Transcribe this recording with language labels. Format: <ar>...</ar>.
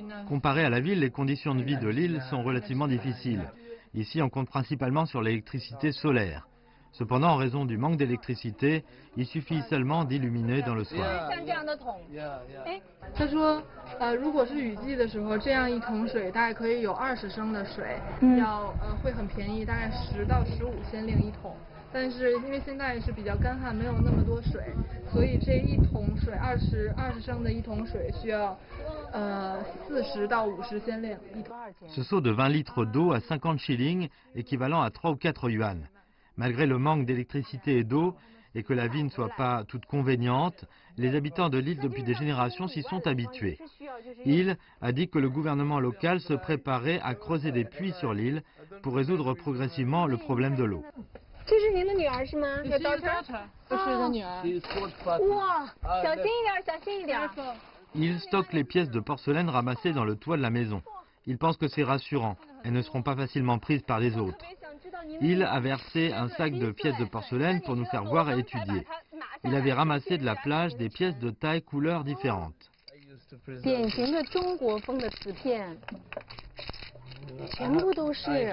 <fr>Comparé à la ville, les conditions de vie de l'île sont relativement difficiles. Ici, on compte principalement sur l'électricité solaire. Cependant, en raison du manque d'électricité, il suffit seulement d'illuminer dans le soir.</fr> <zh>像这样的桶。他说，如果是雨季的时候，这样一桶水大概可以有20升的水，会很便宜，大概10到15先令一桶。但是因为现在是比较干旱，没有那么多水，所以这一桶水二十升的一桶水需要，40到50先令一桶。</zh> <fr>Ce seau de 20 litres d'eau à 50 shillings, équivalent à 3 ou 4 yuan. Malgré le manque d'électricité et d'eau et que la vie ne soit pas toute conveniente, les habitants de l'île depuis des générations s'y sont habitués. Il a dit que le gouvernement local se préparait à creuser des puits sur l'île pour résoudre progressivement le problème de l'eau.</fr> <zh>这是您的女儿是吗？是的，这是的女儿。哇，小心一点，小心一点。</zh> <fr>Il stocke les pièces de porcelaine ramassées dans le toit de la maison. Il pense que c'est rassurant. Elles ne seront pas facilement prises par les autres. Il a versé un sac de pièces de porcelaine pour nous faire voir et étudier. Il avait ramassé de la plage des pièces de taille, couleurs différentes.</fr> <zh>典型的中国风的瓷片，全部都是。</zh>